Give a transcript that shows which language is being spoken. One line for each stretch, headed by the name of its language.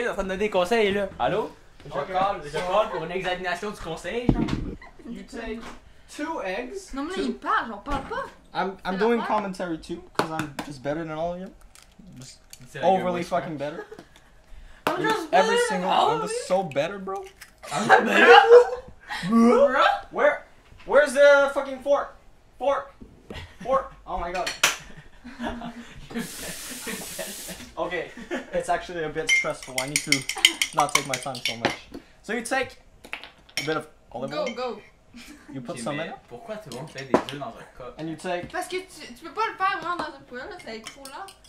French: Il est en train de donner des conseils, là. Allô? Je parle pour une examination du conseil.
English: You take two eggs.
French: Non, mais là, il parle, j'en parle pas.
English: I'm doing commentary too, because I'm just better than all of you. Just overly fucking better. I'm just better than all of you. I'm just so better, bro. I'm better? Bro? Where's the fucking fork? Fork. Oh my god. Okay, it's actually a bit stressful. I need to not take my time so much. So you take a bit of olive oil. Go. You put some in.
French: Pourquoi tu veux faire des œufs dans un cup?
English: And you take.
French: Parce que tu peux pas le faire vraiment dans un poêle, là, ça est trop là.